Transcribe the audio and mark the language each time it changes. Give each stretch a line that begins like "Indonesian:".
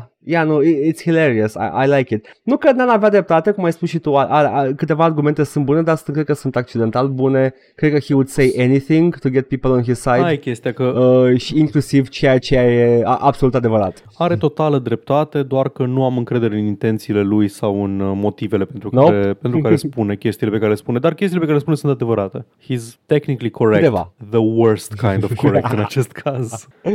English: It's hilarious, I like it.
Romanian: Nu că n-am avea dreptate, cum ai spus și tu, câteva argumente sunt bune, dar cred că sunt accidental bune. Cred că
English: he would say anything to get people on his side.
Romanian: Hai, chestia că... și inclusiv ceea ce e absolut adevărat. Are totală dreptate, doar că nu am încredere în intențiile lui sau în motivele pentru care spune chestiile pe care le spune. Dar chestiile pe care le spune sunt adevărate.
English: He's technically correct. Deva. The worst kind of correct
Romanian: în acest caz.